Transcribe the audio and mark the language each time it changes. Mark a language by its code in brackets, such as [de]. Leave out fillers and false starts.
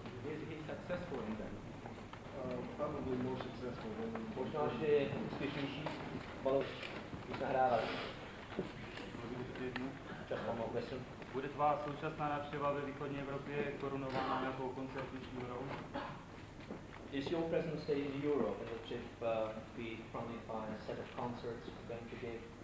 [en] Is he successful in that? probably more successful than [cs] Bude tvá současná návštěva ve východní Evropě korunována nějakou koncertní hrou? [en] Is your presence in Europe and the trip be funded by a set of concerts you're going to give?